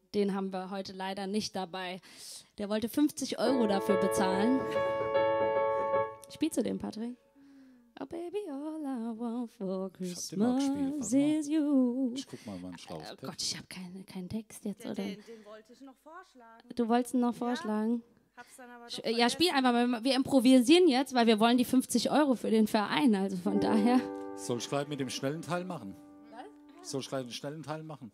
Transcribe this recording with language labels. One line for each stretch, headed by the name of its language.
German: Den haben wir heute leider nicht dabei. Der wollte 50 Euro dafür bezahlen. Spiel zu dem, Patrick.
English: Oh baby, all I want for Christmas is you.
German: Ich guck mal, wann ich rauskomme. Oh Gott, ich hab keinen Text jetzt, den, oder? Den wollte ich noch vorschlagen. Du wolltest ihn noch vorschlagen? Ja, hab's dann aber doch. Ja, spiel einfach mal. Wir improvisieren jetzt, weil wir wollen die 50 Euro für den Verein, also von daher. Soll ich gleich mit dem schnellen Teil machen? Was? Soll ich gleich den schnellen Teil machen?